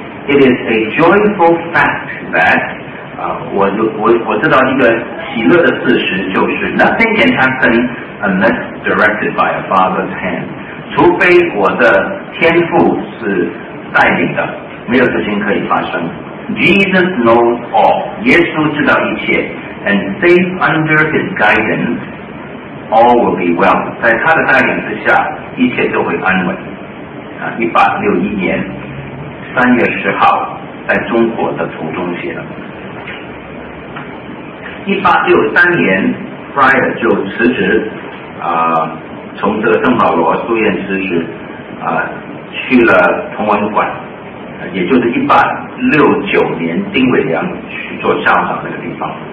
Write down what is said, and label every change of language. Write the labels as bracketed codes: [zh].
[en] It is a joyful fact that [zh] 我知道一个喜乐的事实，就是 [en] nothing can happen unless directed by a father's hand， [zh] 除非我的天父是带领的，没有事情可以发生。 [en] Jesus knows all， [zh] 耶稣知道一切。 [en] And safe under his guidance, all will be well. [zh] 在他的带领之下，一切都会安稳。1861年3月10号，在中国的途中写的。 1863年 ，Fryer 就辞职，从这个圣保罗书院辞职，去了同文馆，也就是1869年丁伟良去做校长那个地方。